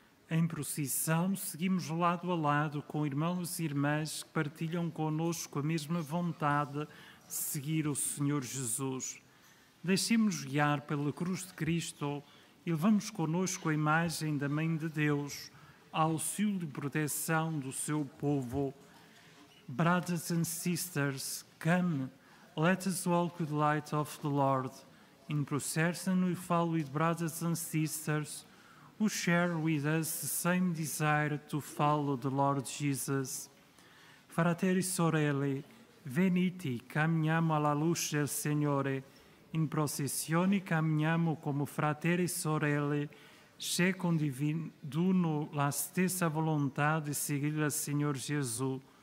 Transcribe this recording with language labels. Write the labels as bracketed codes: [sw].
[pt] Em procissão, seguimos lado a lado com irmãos e irmãs que partilham connosco a mesma vontade de seguir o Senhor Jesus. Deixemos guiar pela cruz de Cristo e levamos connosco a imagem da Mãe de Deus, auxílio e proteção do seu povo. [en] Brothers and sisters, come, let us walk with the light of the Lord. In procession, we follow with brothers and sisters who share with us the same desire to follow the Lord Jesus. [it] Frateri sorelle, veniti, camminiamo alla luce del Signore. In processione camminiamo come frateri e sorelle, se condividono la stessa volontà di seguire il Signore Gesù.